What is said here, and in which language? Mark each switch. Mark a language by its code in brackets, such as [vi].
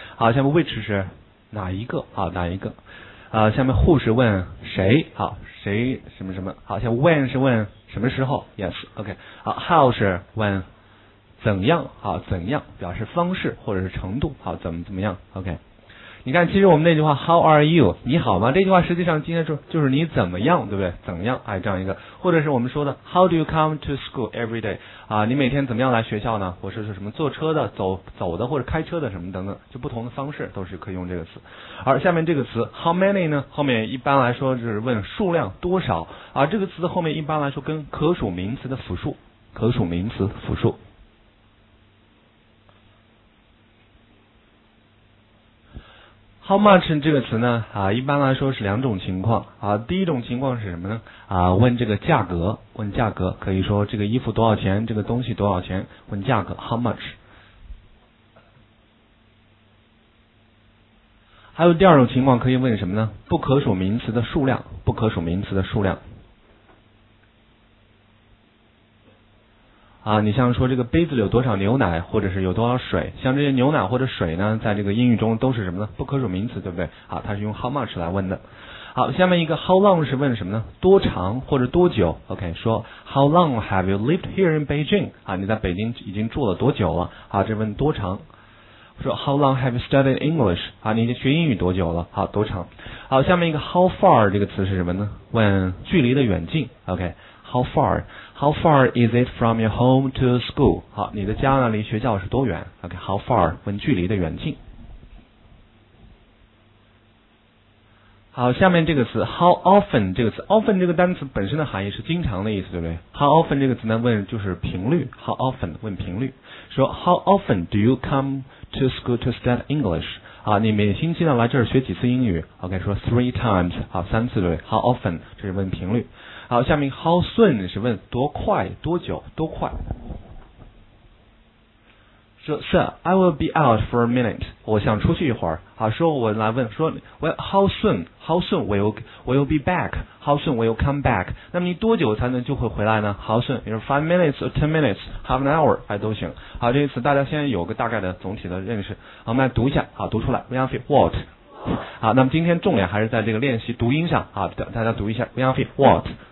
[zh] 好，下面 which 是哪一个，好，哪一个。下面 who 是问谁，好，谁什么什么。好，下面 when 是问什么时候， yes, OK。好， how 是问怎样，好，怎样表示方式或者是程度，好，怎么怎么样， OK。你看，其实我们那句话 [en] How are you? [zh] 你好吗？这句话实际上今天说就是你怎么样，对不对？怎样？哎，这样一个，或者是我们说的 [en] How do you come to school every day? [zh] 啊，你每天怎么样来学校呢？或者是什么坐车的、走的或者开车的什么等等，就不同的方式都是可以用这个词。而下面这个词 How many 呢？后面一般来说就是问数量多少啊。这个词后面一般来说跟可数名词的复数，可数名词复数。 How much 这个词呢一般来说是两种情况啊。第一种情况是什么呢问这个价格，问价格，可以说这个衣服多少钱，这个东西多少钱，问价格 How much。还有第二种情况可以问什么呢，不可数名词的数量，不可数名词的数量你像说这个杯子里有多少牛奶，或者是有多少水，像这些牛奶或者水呢，在这个英语中都是什么呢，不可数名词，对不对？好，它是用 how much 来问的。好，下面一个 how long 是问什么呢，多长或者多久。 [en] OK, 说 how long have you lived here in Beijing? [zh] 你在北京已经住了多久了，这问多长。 [en] 说 how long have you studied English? [zh] 你学英语多久了，好，多长。好，下面一个 how far 这个词是什么呢，问距离的远近。 [en] OK,How far is it from your home to school? [zh] 好，你的家呢离学校是多远？OK, how far? 问距离的远近。好，下面这个词 how often 这个词 often 这个单词本身的含义是经常的意思，对不对？ [en] how often [zh] 这个词呢问就是频率， [en] how often [zh] 问频率， [en] 说 how often do you come to school to study English？ [zh] 啊，你每星期呢来这儿学几次英语 ？OK， 说 [en] three times， [zh] 好，三次对。 [en] How often？ 这是问频率。 [zh] 好，下面 how soon 是问多快、多久、多快。 [en] 说 Sir， I will be out for a minute。 [zh] 我想出去一会儿。好，说我来问，说 [en] Well， how soon？ How soon will be back？ How soon will come back？ [zh] 那么你多久才能就会回来呢？ [en] How soon？比如 five minutes， or ten minutes， half an hour， [zh] 哎，都行。好，这一次大家现在有个大概的总体的认识。好，我们来读一下，好，读出来。 [en] William Fee， what？ [zh] 好，那么今天重点还是在这个练习读音上。好，大家读一下 ， [en] William Fee， what？